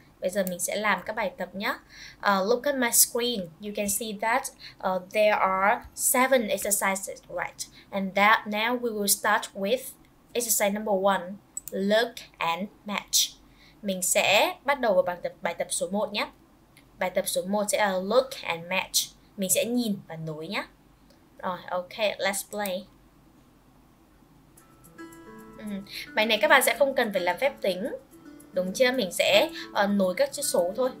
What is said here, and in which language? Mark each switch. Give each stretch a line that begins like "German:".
Vietnamese: Bây giờ mình sẽ làm các bài tập nhé.
English: Look at my screen, you can see that there are 7 exercises, right? And that now we will start with exercise number 1, look and match.
Vietnamese: Mình sẽ bắt đầu vào bài tập số 1 nhé. Bài tập số 1 sẽ là
English: look and match.
Vietnamese: Mình sẽ nhìn và nối nhé. Rồi,
English: ok, let's play.
Vietnamese: Bài này các bạn sẽ không cần phải làm phép tính. Đúng chưa? Mình sẽ nối các chữ số thôi.